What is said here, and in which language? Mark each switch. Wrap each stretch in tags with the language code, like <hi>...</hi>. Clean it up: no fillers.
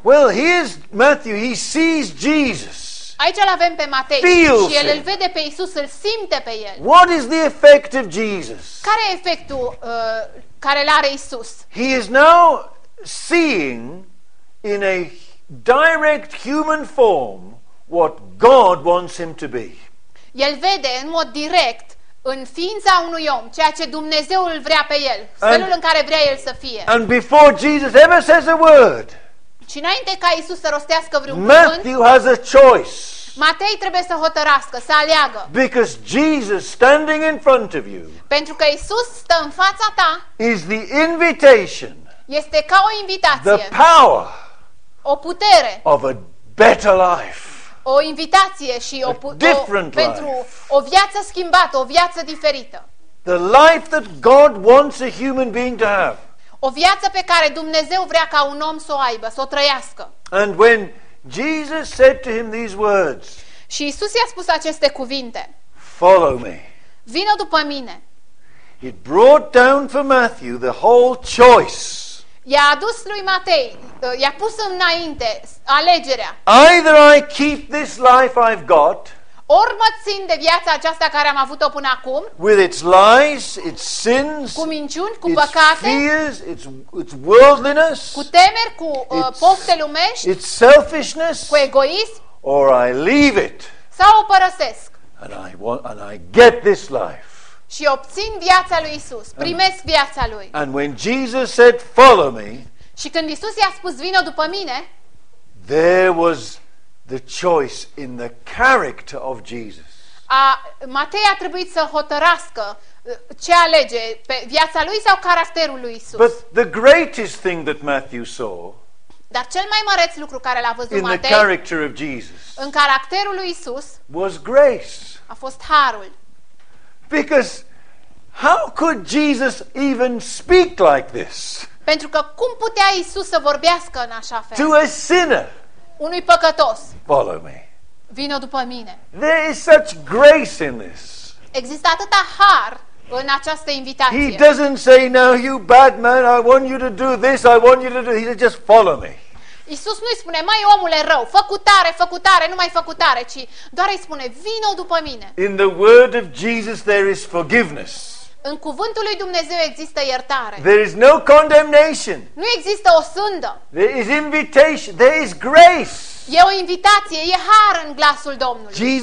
<en>Well, here's Matthew, he sees Jesus.</en> <ro>Aici îl avem pe Matei.</ro> <en>Feels</en> <ro>și el îl vede pe Isus, îl simte pe el.</ro> <en>What is the effect of Jesus?</en> <ro>Care e efectul care l-are Isus?</ro> <en>He is now seeing in a direct human form what God wants him to be.</en> <ro>El vede în mod direct în ființa unui om ceea ce Dumnezeu îl vrea pe el, felul în care vrea el să fie.</ro> <en>And before Jesus ever says a word,</en> <ro>și înainte ca Isus să rostească vreun cuvânt,</ro> <en>Matthew has a choice.</en> <ro>Matei trebuie să hotărască, să aleagă.</ro> <en>Because Jesus standing in front of you,</en> <ro>pentru că Isus stă în fața ta,</ro> <en>is the invitation,</en> <ro>este ca o invitație,</ro> <en>the power,</en> <ro>o putere,</ro> <en>of a better life,</en> <ro>o invitație și pentru o viață schimbată, o viață diferită.</ro> <en>The life that God wants a human being to have.</en> <ro>O viață pe care Dumnezeu vrea ca un om să o aibă, să o trăiască.</ro> <en>And when Jesus said to him these words.</en> <ro>Și Isus i-a spus aceste cuvinte.</ro> <en>Follow me.</en> <ro>Vino după mine.</ro> <en>It brought down for Matthew the whole choice.</en> <ro>I-a adus lui Matei, i-a pus înainte alegerea.</ro> <en>Either I keep this life I've got,</en> <ro>ori mă țin de viața aceasta care am avut-o până acum,</ro> <en>with its lies, its sins,</en> <ro>cu minciuni, cu păcate,</ro> <en>fears, its worldliness,</en> <ro>cu temeri, cu pofte lumești,</ro> <en>its selfishness,</en> <ro>cu egoism,</ro> <en>or I leave it,</en> <ro>sau o părăsesc.</ro> <en>And I get this life.</en> <ro>Și obțin viața lui Isus, primesc viața lui.</ro> <en>And when Jesus said, follow me,</en> <ro>și când Isus i-a spus, vino după mine,</ro> <en>there was the choice in the character of Jesus.</en> <ro>Matei a trebuit să hotărască ce alege, pe viața lui sau caracterul lui Isus.</ro> <en>But the greatest thing that Matthew saw,</en> <ro>dar cel mai măreț lucru care l-a văzut</ro> <en>in</en> <ro>Matei,</ro> <en>the character of Jesus,</en> <ro>în caracterul lui Isus,</ro> <en>was grace.</en> <ro>A fost harul.</ro> <en>Because how could Jesus even speak like this?</en> <ro>Pentru că cum putea Isus să vorbească în așa fel?</ro> <en>To a sinner.</en> <ro>Unui păcătos.</ro> <en>Follow me.</en> <ro>Vino după mine.</ro> <en>There is such grace in this.</en> <ro>Există atâta har în această invitație.</ro> <en>He doesn't say, now you bad man, I want you to do this, I want you to do this. He says, just follow me.</en> <ro>Iisus nu-i spune, mai omule rău, fă cu tare, nu mai fă cu tare, ci doar îi spune, vino după mine.</ro> <en>In the word of Jesus there is forgiveness.</en> <ro>În cuvântul lui Dumnezeu există iertare.</ro> <en>There is no condemnation.</en> <ro>Nu există o sândă.</ro> <en>There is invitation, there is grace.</en> <ro>E o invitație, e har în glasul Domnului.</ro>